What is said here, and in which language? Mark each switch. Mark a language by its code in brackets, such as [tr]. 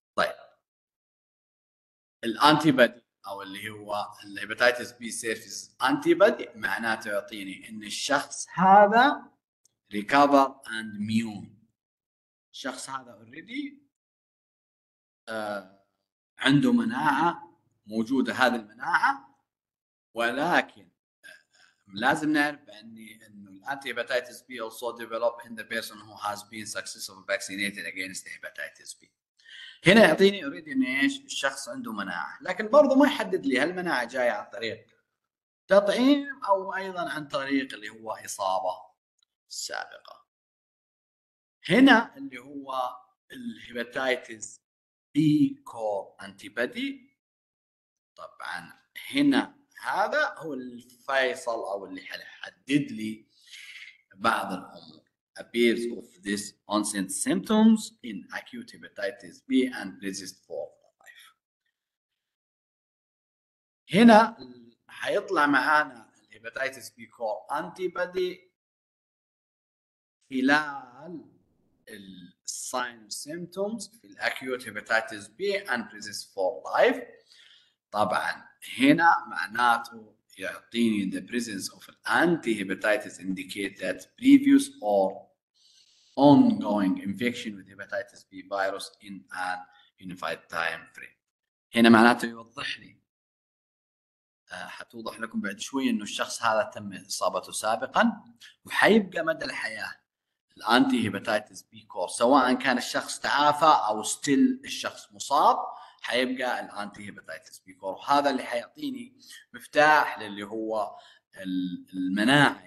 [ar] طيب الانتيبادي او اللي هو الهيباتايتس بي سيرفيس انتيبادي معناته يعطيني ان الشخص هذا [en] recover and immune، [ar] الشخص هذا already عنده مناعة موجودة، هذه المناعة. ولكن لازم نعرف أنه [en] الانتيباتيتس B also develop in the person who has been successfully vaccinated against the hepatitis B. [ar] هنا يعطيني أريد أن إيش الشخص عنده مناعة، لكن برضو ما يحدد لي هل المناعة جاية عن طريق تطعيم أو أيضا عن طريق اللي هو إصابة سابقة. هنا اللي هو الهيباتيتس إيكو أنتيبادي. طبعا هنا هذا هو الفيصل أو اللي حيحدد لي بعض الأمور. [en] appears of this onset symptoms in acute hepatitis B and persist for life. [ar] هنا حيطلع معانا [en] الهيباتيتس B core antibody خلال ال sign symptoms في acute hepatitis B and persist for life. [ar] طبعا هنا معناته يعطيني [en] the presence of anti hepatitis indicate that previous or ongoing infection with hepatitis B virus in an unified time frame. [ar] هنا معناته يوضح لي حتوضح لكم بعد شوي انه الشخص هذا تم اصابته سابقا وحيبقى مدى الحياة الانتي هيباتيتس بي كور، سواء كان الشخص تعافى او ستيل الشخص مصاب حيبقى الانتي هيباتيتس بي كور، وهذا اللي حيعطيني مفتاح للي هو المناعه.